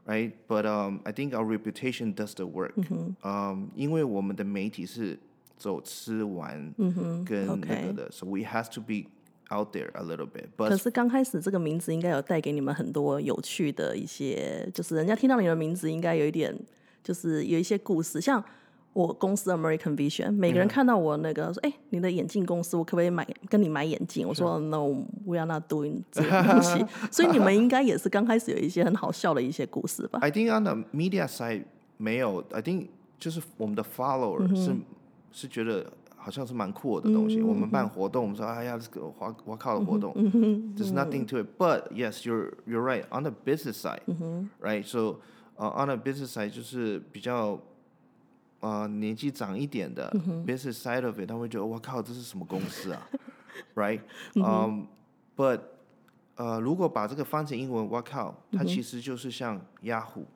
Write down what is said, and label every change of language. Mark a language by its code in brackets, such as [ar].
[en] right but、I think our reputation does the work、嗯 [zh] 因为我们的媒体是走吃玩跟那个的、嗯、 [en] so we has to beOut there a little bit, but [zh] 可是刚开始这个名字应该有带给你们很多有趣的一些，就是人家听到你的名字应该有一点，就是有一些故事。像我公司 American Vision， 每个人看到我那个说，哎、欸，你的眼镜公司，我可不可以买跟你买眼镜？我说 [en] No， we are not doing [zh] 这个东西。所以你们应该也是刚开始有一些很好笑的一些故事吧 [en] ？I think on the media side [zh] 没有 [en] ，I think [zh] 就是我们的 [en] follower、mm-hmm. [zh] 是觉得。好像是蛮酷的东西、嗯、我们办活动、嗯、我们说哎呀这个我靠的活动、嗯、 [en] There's nothing to it But yes you're right On the business side、嗯、 Right so、On the business side [zh] 就是比较、年纪长一点的、嗯、 [en] Business side of it [zh] 他会觉得我靠这是什么公司啊 [en] Right、嗯、 But、 [zh] 如果把这个翻成英文我靠它其实就是像 Yahoo、